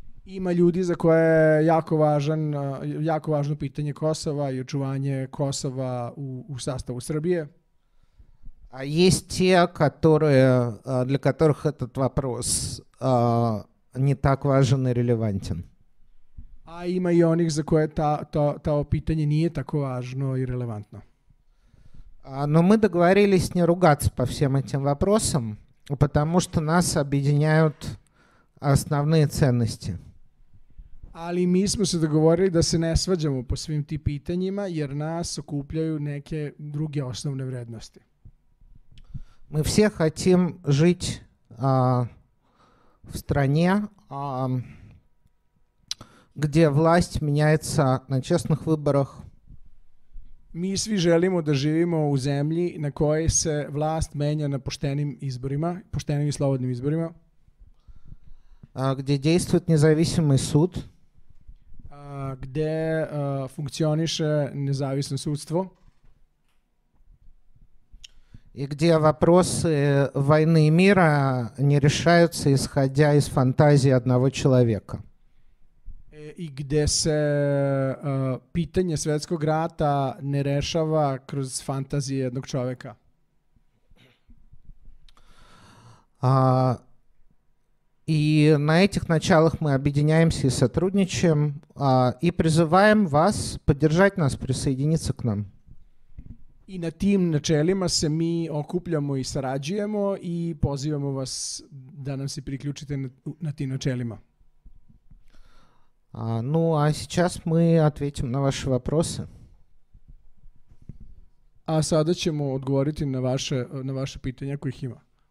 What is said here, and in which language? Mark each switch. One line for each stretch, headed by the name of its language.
Serbian: Има люди, за које је јако важно питање Косова и очување Косова у составу Србије.
Russian: А јесть те, для которых этот вопрос не так важен и релевантен.
Serbian: А има и оних, за које та питање није тако важно и релевантно.
Russian: Но мы договорились не ругаться по всем этим вопросам, потому что нас объединяют основные ценности.
Serbian: Ali mi smo se dogovorili da se ne svađamo po svim tim pitanjima, jer nas okupljaju neke druge osnovne vrednosti.
Russian: Мы все хотим жить в стране, где власть меняется на честных выборах.
Serbian: Mi svi želimo da živimo u zemlji na kojoj se vlast menja na poštenim izborima, poštenim i slobodnim izborima. Gdje
Russian: действует независимый суд.
Serbian: Gde funkcioniše nezavisno sudstvo.
Russian: И где вопросы войны и мира не решаются, исходя из фантазии одного человека.
Serbian: И где се питање светског рата не решава кроз фантазии одног човека.
Russian: И на этих началах мы объединяемся и сотрудничаем, и призываем вас поддержать нас, присоединиться к нам.
Serbian: И на тим началима се ми окупљамо и сарађујемо, и позивамо вас да нам се приключите на тим началима.
Russian: Ну, а сейчас мы ответим на ваши вопросы.
Serbian: А сада ћемо одговорити на ваше питање којих има.